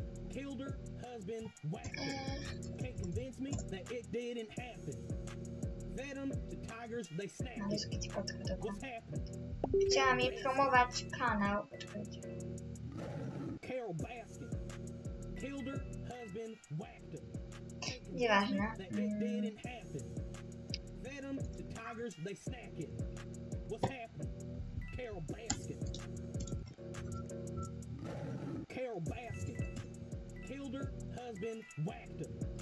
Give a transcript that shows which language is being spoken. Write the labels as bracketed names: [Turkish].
[English] Killed her husband, whacked him. Can't convince me that it didn't happen. Fed him to tigers, they snack it. What's happening? [Polish] Chciała mi promować kanał. Carol [English] Carol Baskin killed her husband, whacked him. [Polish] Nieważne. [English] That didn't happen. Fed him to tigers, they snack it. What's happening? Carol Baskin. Carol Baskin killed her husband, whacked him.